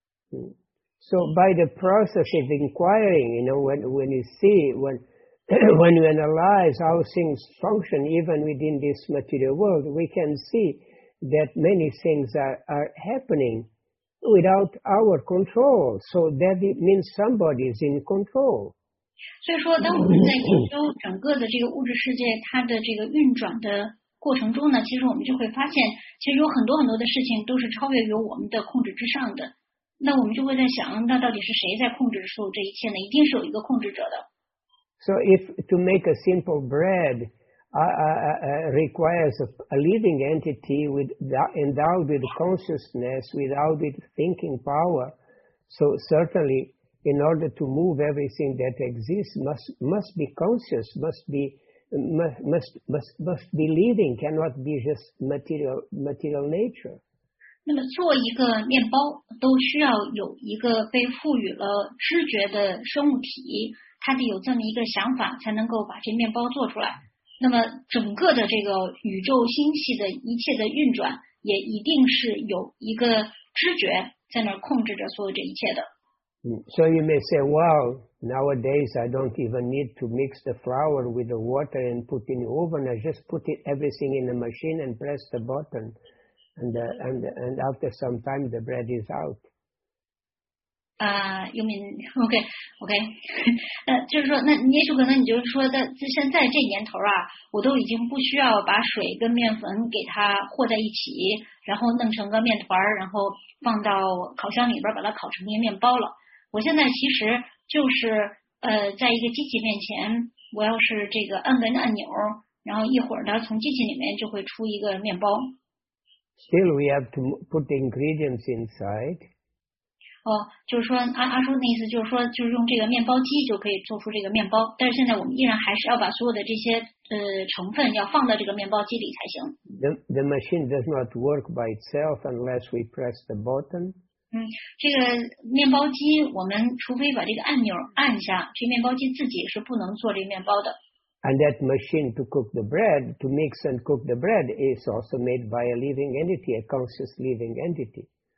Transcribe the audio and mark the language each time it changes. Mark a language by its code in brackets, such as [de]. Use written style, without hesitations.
[en] So by the process of inquiring, you know, when you see, when we analyze how things function even within this material world, we can see that many things are happening without our control. So that it means somebody is in control. [zh] 所以说当我们在研究整个的这个物质世界它的这个运转的过程中呢，其实我们就会发现其实有很多很多的事情都是超越于我们的控制之上的。那我们就会在想，那到底是谁在控制住这一切呢？一定是有一个控制者的。 [en] So if to make a simple bread requires a living entity endowed with consciousness, endowed with thinking power, so certainly in order to move everything that exists must be conscious, must be living, cannot be just material nature. [zh] 那么做一个面包都需要有一个被赋予了知觉的生物体。他得有这么一个想法才能够把这面包做出来。那么整个的这个宇宙星系的一切的运转也一定是有一个知觉在那儿控制着所有这一切的。 [en] So you may say, well, nowadays I don't even need to mix the flour with the water and put in the oven. I just put everything in the machine and press the button. And after some time the bread is out. You mean, okay. [zh] 就是说那也许可能你就是说在现在这年头啊，我都已经不需要把水跟面粉给它和在一起，然后弄成个面团，然后放到烤箱里边把它烤成一个面包了。我现在其实就是在一个机器面前，我要是这个按个按钮，然后一会儿呢从机器里面就会出一个面包。 [en] Still, we have to put the ingredients inside. [zh] 就是说阿叔的意思就是说就是用这个面包机就可以做出这个面包，但是现在我们依然还是要把所有的这些成分要放到这个面包机里才行。 [en] The machine does not work by itself unless we press the button. [zh] 这个面包机我们除非把这个按钮按下，这面包机自己是不能做这个面包的。 [en] And that machine to cook the bread, to mix and cook the bread is also made by a living entity, a conscious living entity.